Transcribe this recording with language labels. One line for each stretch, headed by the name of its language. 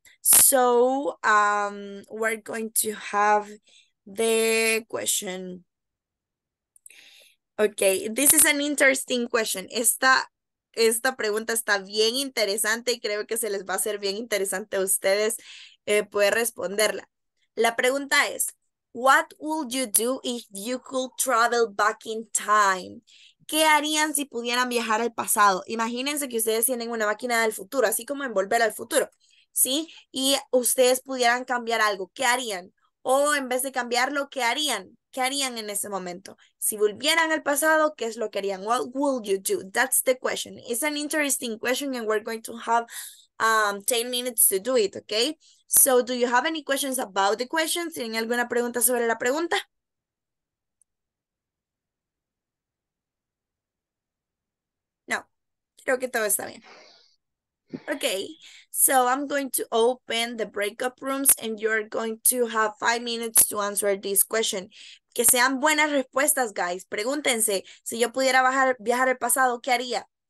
English: So, we're going to have the question. Okay, this is an interesting question.
Spanish: Esta pregunta está bien interesante y creo que se les va a hacer bien interesante a ustedes poder responderla. La pregunta es,
English: what would you do if you could travel back in time?
Spanish: ¿Qué harían si pudieran viajar al pasado? Imagínense que ustedes tienen una máquina del futuro, así como en Volver al Futuro, ¿sí? Y ustedes pudieran cambiar algo, ¿qué harían? O en vez de cambiarlo, ¿qué harían? ¿Qué harían en ese momento? Si volvieran al pasado, ¿qué es lo que harían?
English: What would you do? That's the question. It's an interesting question and we're going to have 10 minutes to do it, okay? So, do you have any questions about the questions?
Spanish: ¿Tienen alguna pregunta sobre la pregunta?
English: No.
Spanish: Creo que todo está bien.
English: Okay, so I'm going to open the breakout rooms and you're going to have 5 minutes to answer this question.
Spanish: Que sean buenas respuestas, guys. Pregúntense, si yo pudiera viajar al pasado, ¿qué haría?